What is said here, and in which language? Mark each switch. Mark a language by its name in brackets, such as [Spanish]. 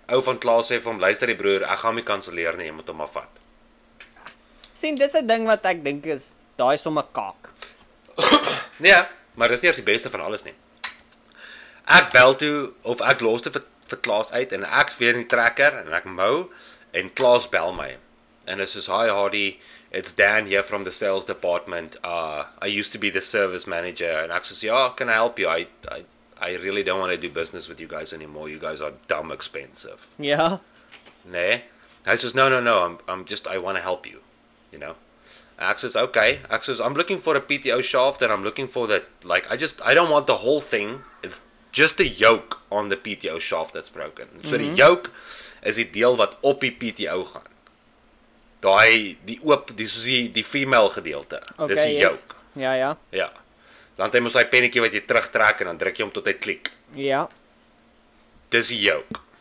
[Afrikaans] Ou van Klaas sê vir hom, luister die broer, ek gaan my kanselleer nie, jy moet hom afvat. Sien, dis 'n ding wat ek dink is, daai is sommer kak. Nee, maar dis nie eers die beste van alles nie. Ek bel toe, of ek los te vir Klaas uit, en ek is weer in die trekker, en ek mou, en Klaas bel my. En dis soos, [English] hi Hardy, it's Dan here from the sales department, I used to be the service manager, and [Afrikaans] ek soos, ja, [English] can I help you, I really don't want to do business with you guys anymore, you guys are dumb expensive. Yeah. [Afrikaans] Nee? Hy soos, [English] no, I'm just, I want to help you, you know? [Afrikaans] Ek soos, [English] okay, [Afrikaans] ek soos, [English] I'm looking for a PTO shaft, and I'm looking for that, like, I don't want the whole thing, it's just the yoke on the PTO shaft that's broken. [Afrikaans] So mm-hmm. Die yoke is die deel wat op die PTO gaan. Daai die oop, dis soos die female gedeelte. Okay, dis die yoke. [English] Yes. [Afrikaans] Ja, ja. Ja. Dan jy moet daai pennetjie wat jy terugtrek en dan druk jy hom tot hy klik. Ja. Dis die yoke.